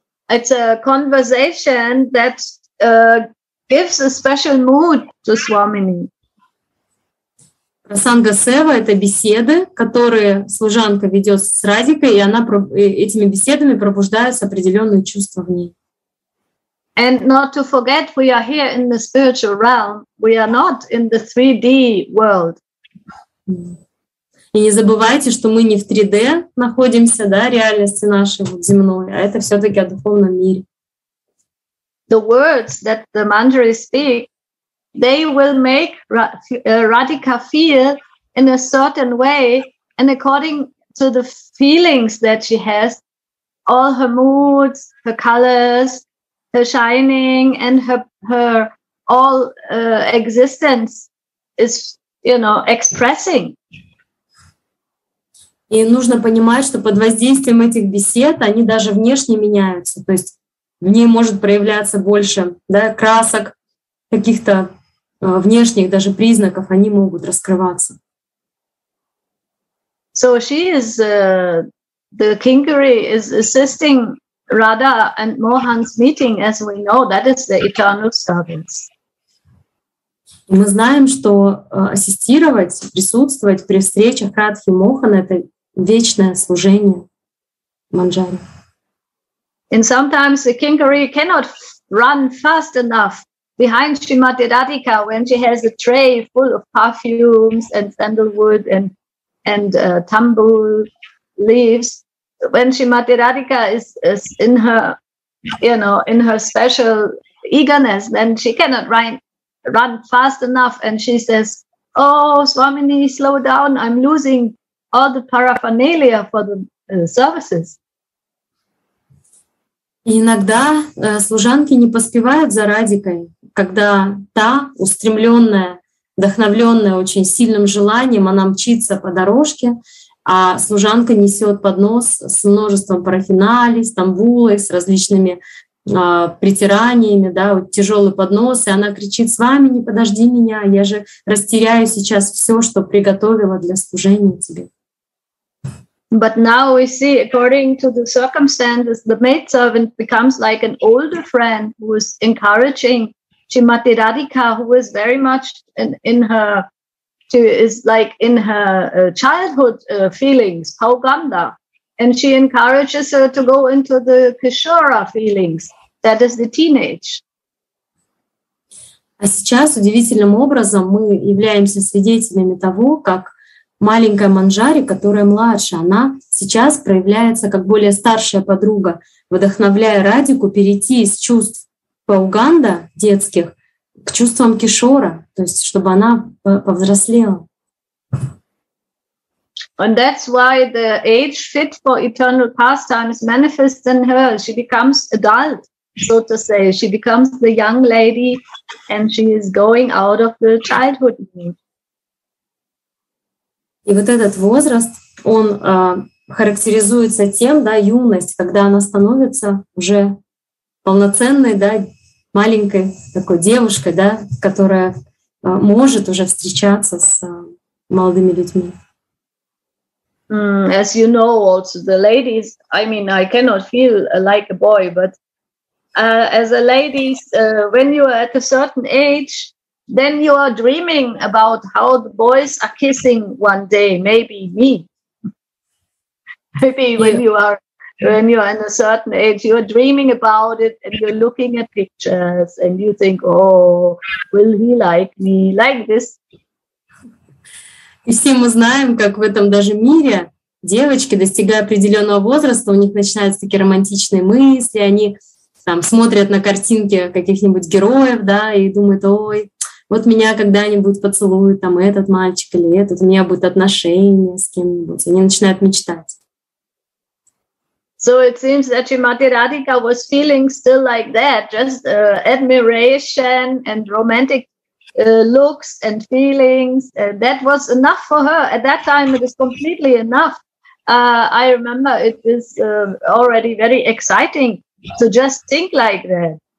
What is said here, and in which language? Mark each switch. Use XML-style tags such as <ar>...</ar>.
<en>It's a conversation that gives a special mood to Swamini.</en> <ru>Прасанга Сева — это беседы, которые служанка ведет с Радикой, и она этими беседами пробуждает определенные чувства в ней.</ru> <en>And not to forget, we are here in the spiritual realm. We are not in the 3D world.</en> <ru>И не забывайте, что мы не в 3D находимся, да, реальности нашей вот, земной, а это все-таки о духовном мире.</ru> <en>The words that the Manjari speak, they will make Radhika feel in a certain way, and according to the feelings that she has, all her moods, her colors, her shining, and her all existence is, you know, expressing.</en> <ru>И нужно понимать, что под воздействием этих бесед они даже внешне меняются. То есть в ней может проявляться больше, да, красок каких-то внешних даже признаков, они могут раскрываться.</ru> <en>So she is the Kingari is assisting Radha and Mohan's meeting, as we know that is the eternal service.</en> <ru>Мы знаем, что ассистировать, присутствовать при встречах Радхи Мохана — это вечное служение Манджари.</ru> <en>And sometimes the Kingari cannot run fast enough behind Srimati Radhika when she has a tray full of perfumes and sandalwood and tambul leaves. When Srimati Radhika is in her, you know, in her special eagerness, then she cannot run fast enough, and she says, oh, Swamini, slow down, I'm losing all the paraphernalia for the services.</en> <ru>Иногда служанки не поспевают за Радикой, когда та, устремленная, вдохновленная очень сильным желанием, она мчится по дорожке, а служанка несет поднос с множеством парафиналий, с тамбулой, с различными притираниями, да, вот тяжелый поднос, и она кричит: «С вами не подожди меня, я же растеряю сейчас все, что приготовила для служения тебе».</ru> <en>But now we see, according to the circumstances, the maidservant becomes like an older friend who is encouraging Srimati Radhika, who is very much in her childhood feelings, Pauganda, and she encourages her to go into the Kishora feelings, that is the teenage.</en> <ru>А сейчас удивительным образом мы являемся свидетелями того, как маленькая Манджари, которая младше, она сейчас проявляется как более старшая подруга, вдохновляя Радику перейти из чувств Пауганда детских к чувствам Кишора, то есть чтобы она повзрослела.</ru> <en>And that's why the age fit for eternal pastimes manifests in her. She becomes adult, so to say. She becomes the young lady, and she is going out of the childhood.</en> <ru>И вот этот возраст, он характеризуется тем, да, юность, когда она становится уже полноценной, да, маленькой такой девушкой, да, которая может уже встречаться с молодыми людьми. As you know, also the ladies, I mean, I cannot feel like a boy, but as a lady, when you are at a certain age, then you are dreaming about how the boys are kissing one day, maybe me. Maybe when you are in a certain age, you are dreaming about it and you're looking at pictures and you think, oh, will he like me like this? И все мы знаем, как в этом даже мире девочки, достигая определенного возраста, у них начинаются такие романтичные мысли, они там смотрят на картинки каких-нибудь героев, да, и думают, ой, вот меня когда-нибудь поцелует там этот мальчик или этот, у меня будет отношение с кем-нибудь. Они начинают мечтать.</ru> <en>So it seems that Srimati Radhika was feeling still like that, just admiration and romantic looks and feelings. That was enough for her. At that time it is completely enough. I remember it is already very exciting to just think like that.</en>